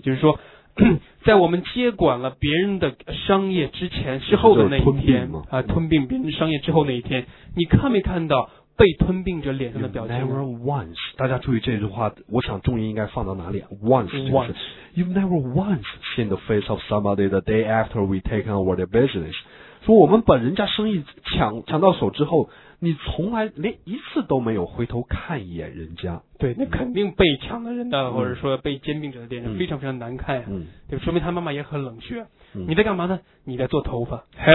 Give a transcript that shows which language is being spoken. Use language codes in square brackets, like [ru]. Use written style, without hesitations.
[zh] 就是说，在我们接管了别人的商业之前、之后的那一天啊，吞并别人的商业之后那一天，你看没看到被吞并者脸上的表情 [en] ？Never once. [zh] 大家注意这句话，我想重音应该放到哪里 [en] ？Once. You've never once seen the face of somebody the day after we taken over their business. [zh] 说我们把人家生意抢到手之后你从来连一次都没有回头看一眼人家对那肯定被抢的人的、嗯、或者说被兼并者的脸上非常非常难看、啊嗯、对说明他妈妈也很冷血、嗯、你在干嘛呢你在做头发